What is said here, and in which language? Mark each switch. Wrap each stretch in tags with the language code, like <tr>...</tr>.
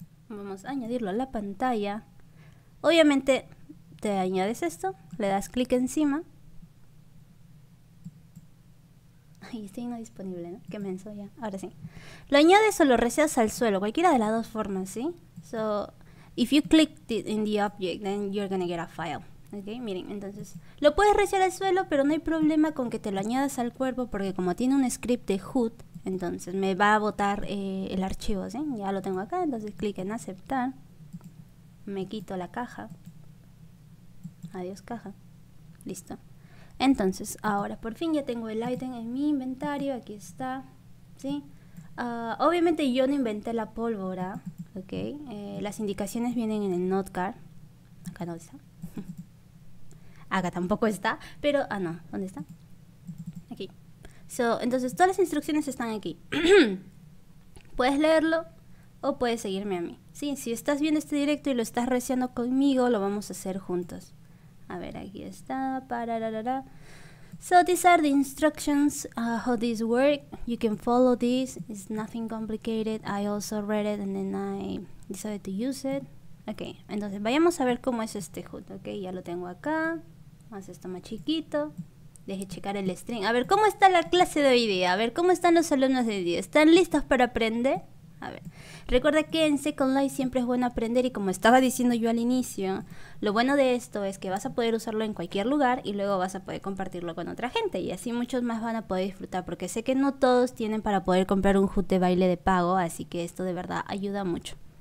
<es>Vamos a añadirlo a la pantalla. Obviamente, te añades esto, le das clic encima. Ay, estoy no disponible, ¿no? Qué menso ya, ahora sí. Lo añades o lo reseas al suelo, cualquiera de las dos formas, ¿sí?</es> <en>So, if you click in the object, then you're gonna get a file.</en> <es>Ok, miren, entonces, lo puedes rechear al suelo, pero no hay problema con que te lo añadas al cuerpo, porque como tiene un script de HUD, entonces me va a botar el archivo, ¿sí? Ya lo tengo acá, entonces clic en aceptar. Me quito la caja. Adiós, caja. Listo. Entonces, ahora, por fin ya tengo el item en mi inventario, aquí está, ¿sí? Obviamente yo no inventé la pólvora. Ok, las indicaciones vienen en el note card. Acá no está. Acá tampoco está. Pero, ah no, ¿dónde está? Aquí. So, entonces todas las instrucciones están aquí. Puedes leerlo o puedes seguirme a mí. Sí, si estás viendo este directo y lo estás reseando conmigo, lo vamos a hacer juntos. A ver, aquí está. Pararara.</es> <en>So these are the instructions how this work. You can follow this. It's nothing complicated. I also read it and then I decided to use it.</en> <es>Okay, entonces vayamos a ver cómo es este HUD. Okay, ya lo tengo acá. Más esto más chiquito. Deje checar el string. A ver cómo está la clase de hoy día. A ver cómo están los alumnos de hoy día. ¿Están listos para aprender? A ver. Recuerda que en Second Life siempre es bueno aprender y como estaba diciendo yo al inicio, lo bueno de esto es que vas a poder usarlo en cualquier lugar y luego vas a poder compartirlo con otra gente y así muchos más van a poder disfrutar porque sé que no todos tienen para poder comprar un HUD de baile de pago, así que esto de verdad ayuda mucho.</es>